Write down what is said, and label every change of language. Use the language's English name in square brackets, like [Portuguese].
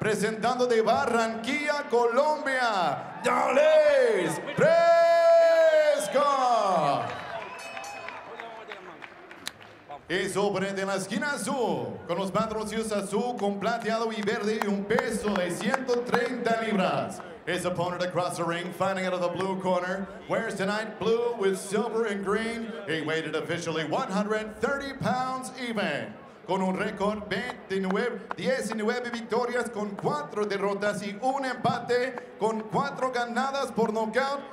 [Spanish] Presentando de Barranquilla, Colombia, Dallas Prescott. Y sobre de la esquina azul, con los patrocinios azul con plateado y verde y un peso de 130 libras. [English] His opponent across the ring, fighting out of the blue corner, wears tonight blue with silver and green. He weighed officially 130 pounds even. [Spanish] Con un récord 19 victorias con 4 derrotas y un empate con 4 ganadas por knockout.